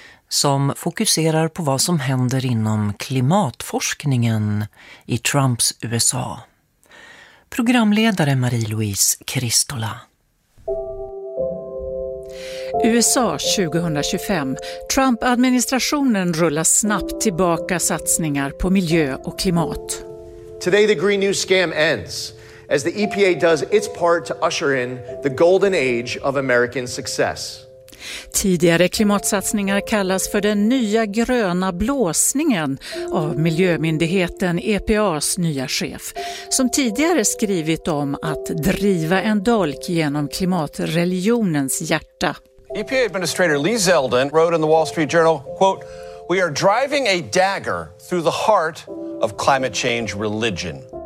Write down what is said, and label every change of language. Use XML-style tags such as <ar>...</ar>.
<sv>som fokuserar på vad som händer inom klimatforskningen i Trumps USA. Programledare Marie-Louise Kristola. USA 2025. Trump-administrationen rullar snabbt tillbaka satsningar på miljö och klimat.</sv> <en>Today the Green New Scam ends as the EPA does its part to usher in the golden age of American success.</en> <sv>Tidigare klimatsatsningar kallas för den nya gröna blåsningen av miljömyndigheten EPA:s nya chef, som tidigare skrivit om att driva en dolk genom klimatreligionens hjärta.</sv> <en>EPA administrator Lee Zeldin wrote in the Wall Street Journal, quote, "We are driving a dagger through the heart of climate change religion."</en>